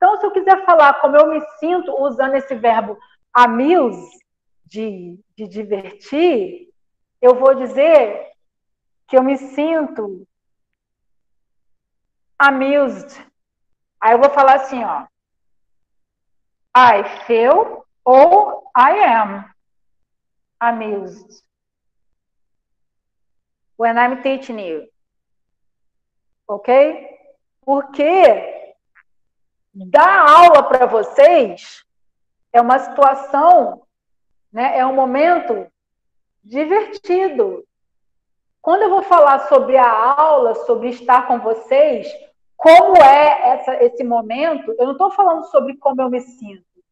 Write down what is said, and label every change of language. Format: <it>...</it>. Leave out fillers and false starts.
<pt>Então, se eu quiser falar como eu me sinto usando esse verbo amuse, de divertir, eu vou dizer que eu me sinto amused. Aí eu vou falar assim, ó.</pt> <en>I feel</en> <pt>ou</pt> <en>I am amused when I'm teaching you.</en> <pt>Ok? Porque dar aula para vocês é uma situação, né, é um momento divertido. Quando eu vou falar sobre a aula, sobre estar com vocês, como é esse momento, eu não estou falando sobre como eu me sinto.</pt>